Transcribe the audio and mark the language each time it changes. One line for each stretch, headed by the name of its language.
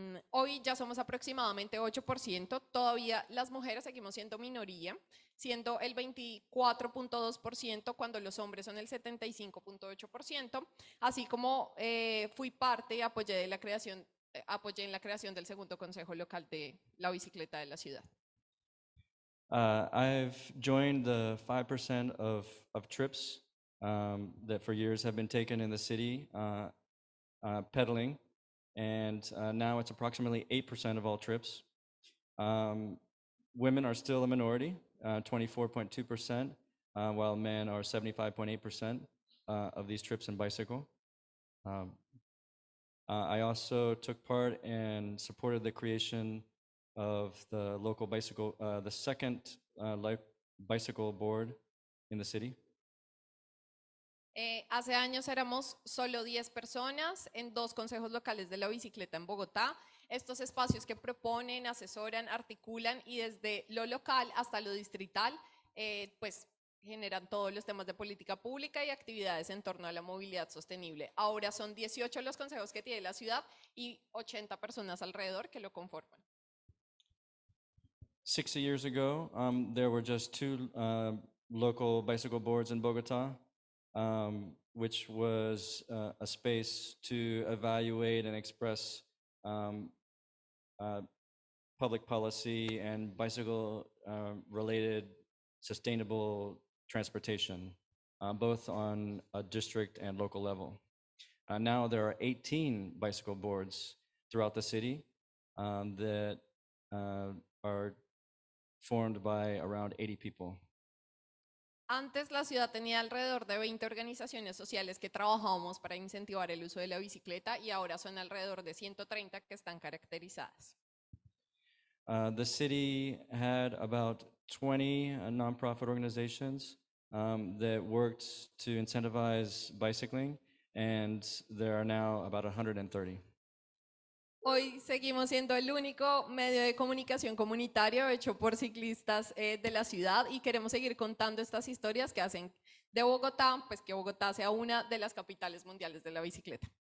Spanish: Hoy ya somos aproximadamente 8%. Todavía las mujeres seguimos siendo minoría, siendo el 24.2% cuando los hombres son el 75.8%. Así como fui parte y apoyé de la creación apoyé en la creación del segundo consejo local de la bicicleta de la ciudad.
English: I've joined the 5% of trips that for years have been taken in the city pedaling, and now it's approximately 8% of all trips. Women are still a minority, 24.2%, while men are 75.8% of these trips in bicycle. I also took part and supported the creation of the local bicycle, the second life bicycle board in the city.
Spanish: Hace años éramos solo 10 personas en dos consejos locales de la bicicleta en Bogotá. Estos espacios que proponen, asesoran, articulan y desde lo local hasta lo distrital, pues generan todos los temas de política pública y actividades en torno a la movilidad sostenible. Ahora son 18 los consejos que tiene la ciudad y 80 personas alrededor que lo conforman.
English: 60 years ago, there were just two local bicycle boards in Bogota, which was a space to evaluate and express public policy and bicycle-related sustainable transportation, both on a district and local level. Now there are 18 bicycle boards throughout the city that are formed by around 80 people.
Spanish: Antes la ciudad tenía alrededor de 20 organizaciones sociales que trabajábamos para incentivar el uso de la bicicleta y ahora son alrededor de 130 que están caracterizadas.
English: The city had about 20 non-profit organizations that worked to incentivize bicycling, and there are now about 130.
Spanish: Hoy seguimos siendo el único medio de comunicación comunitario hecho por ciclistas de la ciudad y queremos seguir contando estas historias que hacen de Bogotá, pues que Bogotá sea una de las capitales mundiales de la bicicleta.